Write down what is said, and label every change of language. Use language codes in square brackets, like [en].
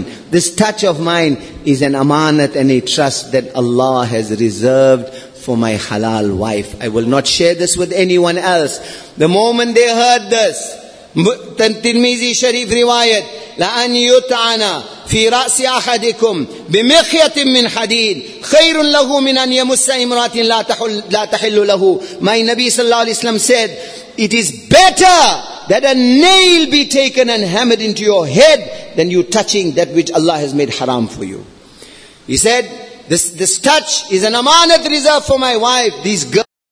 [en] This touch of mine is an amanat and a trust that Allah has reserved for my halal wife. I will not share this with anyone else. The moment they heard this, Tirmizi Sharif riwayat, [ar] لَأَنْ يُتْعَنَا فِي رَأْسِ أَحَدِكُمْ بِمِخْيَةٍ مِّنْ حَدِيدٍ خَيْرٌ لَهُ مِنْ أَنْ يَمُسَّ إِمْرَاتٍ لَا تَحِلُّ لَهُ. [en] My Nabi sallallahu alayhi wa sallam said, it is better that a nail be taken and hammered into your head than you touching that which Allah has made haram for you. He said, this touch is an amanat reserved for my wife. These girls.